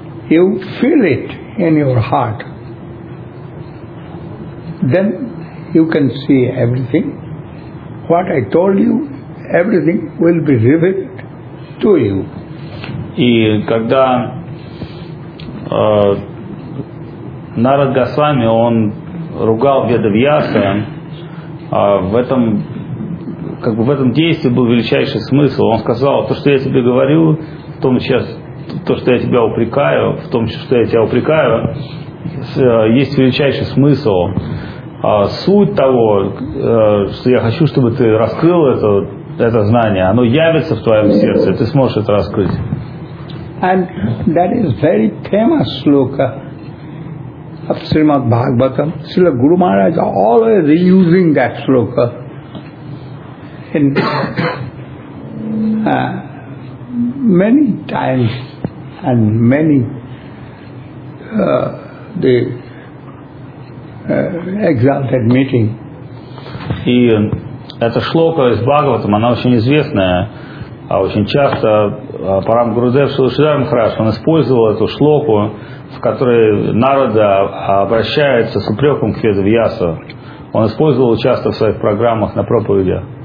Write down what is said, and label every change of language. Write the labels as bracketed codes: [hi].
[en] You feel it in your heart. Then you can see everything. What I told you, everything will be revealed to you. [ru] И когда Нарад Госвами, он ругал Ведавьяса, в этом действии был величайший смысл. Он сказал, то, что я тебе говорю, в том сейчас, то, что я тебя упрекаю, в том, что я тебя упрекаю, есть величайший смысл. Суть того, что я хочу, чтобы ты раскрыл это знание, оно явится в твоем сердце, ты сможешь это раскрыть. [en] And that is very famous sloka of Srimad Bhagavatam. Srila Guru Maharaj is always using that sloka in many times and many exalted meeting. [ru] И эта шлока из Бхагаватам, она очень известная. А очень часто Парам Гурудев Шиладхар Махарадж, он использовал эту шлоку, в которой Нарада обращается с упреком к Ведавьясу. Он использовал часто в своих программах на проповедях.